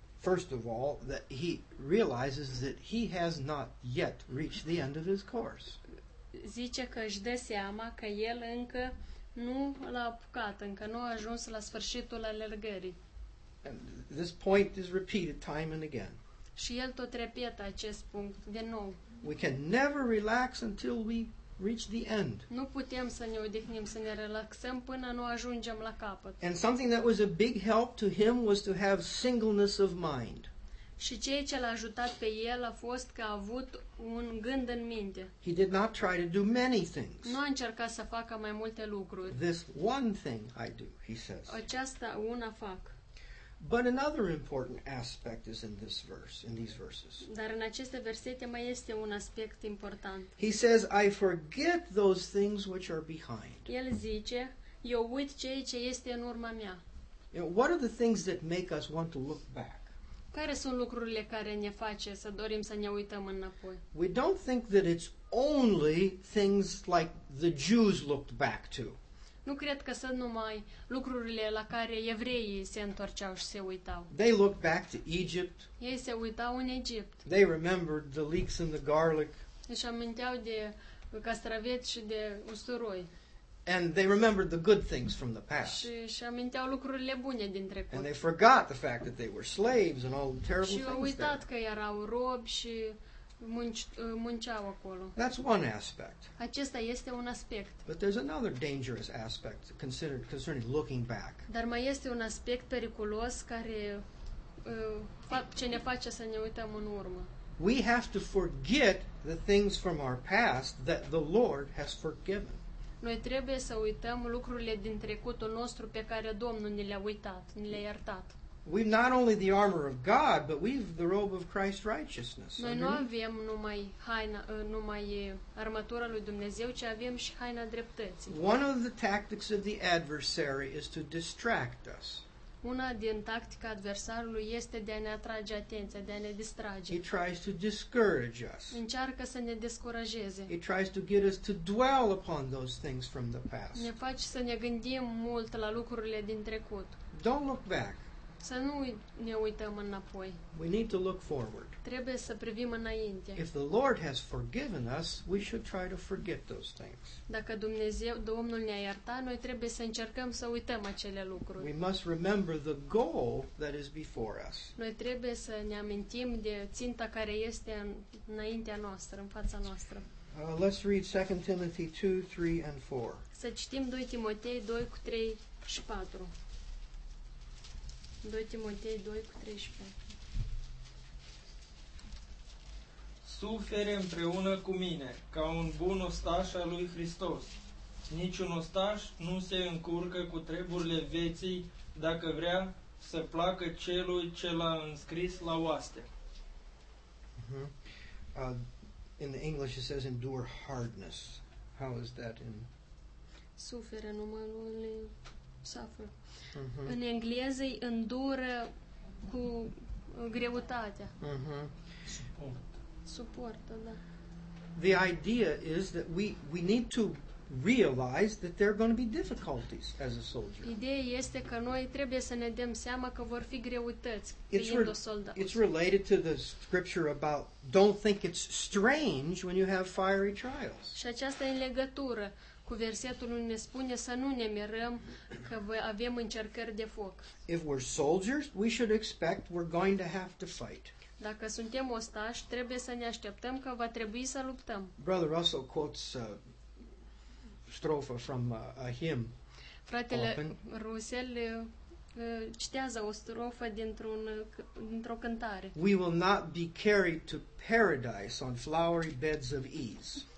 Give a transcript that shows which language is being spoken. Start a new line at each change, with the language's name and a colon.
English: first of all, that he realizes that he has not yet reached the end of his course.
Romanian: Zice că își dă seama că el încă nu l-a apucat, încă nu a ajuns la sfârșitul alergării.
English: And this point is repeated time and again.
Romanian: Și el tot repetă acest punct de nou.
English: We can never relax until we reach the end.
Romanian: Nu putem să ne odihnim, să ne relaxăm până nu ajungem la capăt.
English: And something that was a big help to him was to have singleness of mind.
Romanian: Și ceea ce l-a ajutat pe el a fost că a avut un gând în minte.
English: He did not try to do many things.
Romanian: Nu a încercat să facă mai multe lucruri.
English: This one thing I do, he says.
Romanian: Aceasta una fac.
English: But another important aspect is in this verse, in these verses.
Romanian: Dar în aceste versete mai este un aspect important.
English: He says, I forget those things which are behind.
Romanian: El zice, eu uit ceea ce este în urma mea.
English: You know, what are the things that make us want to look back?
Romanian: Care sunt lucrurile care ne face să dorim să ne uităm înapoi?
English: We don't think that it's only things like the Jews looked back to.
Romanian: Nu cred că sunt numai lucrurile la care evreii se întorceau și se uitau.
English: They looked back to Egypt.
Romanian: Ei se uitau în Egipt.
English: They remembered the leeks and the garlic.
Romanian: Își aminteau de castraveți și de usturoi.
English: And they remembered the good things from the past.
Romanian: Și aminteau lucrurile bune din trecut.
English: And they forgot the fact that they were slaves and all the terrible things.
Romanian: Și au uitat că erau robi și munceau acolo.
English: That's one aspect.
Romanian: Acesta este un aspect.
English: But there's another dangerous aspect considered concerning looking back.
Romanian: Dar mai este un aspect periculos care ce ne face să ne uităm în urmă.
English: We have to forget the things from our past that the Lord has forgiven.
Romanian: Noi trebuie să uităm lucrurile din trecutul nostru pe care Domnul ni le-a uitat, ni le-a iertat.
English: We've not only the armor of God, but we've the robe of Christ's righteousness.
Romanian: Noi nu avem numai haina, numai armatura lui Dumnezeu, ci avem și haina dreptății.
English: One of the tactics of the adversary is to distract us.
Romanian: Una din tactica adversarului este de a ne atrage atenția, de a ne distrage.
English: He tries to discourage us.
Romanian: Încearcă să ne descurajeze.
English: He tries to get us to dwell upon those things from the past.
Romanian: Ne face să ne gândim mult la lucrurile din trecut.
English: Don't look back.
Romanian: Să nu ne uităm înapoi.
English: We need to look forward.
Romanian: Trebuie să privim înainte.
English: If the Lord has forgiven us, we should try to forget those things.
Romanian: Dacă Dumnezeu, Domnul ne-a iertat, noi trebuie să încercăm să uităm acele lucruri.
English: We must remember the goal that is before us.
Romanian: Noi trebuie să ne amintim de ținta care este înaintea noastră, în fața noastră.
English: Let's read 2 Timothy 2, 3 and 4.
Romanian: Să citim 2 Timotei 2 cu 3 și 4. 2 Timotei 2 cu 3 și 4. Sufere împreună cu mine, ca un bun ostaș al lui Hristos. Niciun ostaș nu se încurcă cu treburile vieții dacă vrea să placă celui ce l-a înscris la oaste.
English: In the English it says endure hardness. How is that in?
Romanian: Sufere numai suffer. Mm-hmm. În engleză, îndură cu greutatea. Mm-hmm. Suportă, da.
English: The idea is that we need to realize that there are going to be difficulties as a soldier.
Romanian: Ideea este că noi trebuie să ne dăm seama că vor fi greutăți fiind un soldat.
English: It's related to the scripture about don't think it's strange when you have fiery trials.
Romanian: Și aceasta e în legătură cu versetul unde ne spune să nu ne mirăm că avem încercări de foc.
English: If we're soldiers, we should expect we're going to have to fight.
Romanian: Dacă suntem ostași, trebuie să ne așteptăm că va trebui să luptăm.
English: Brother Russell quotes a strofă from a hymn.
Romanian: Fratele Russell citează o strofă dintr-o cântare.
English: We will not be carried to paradise on flowery beds of ease.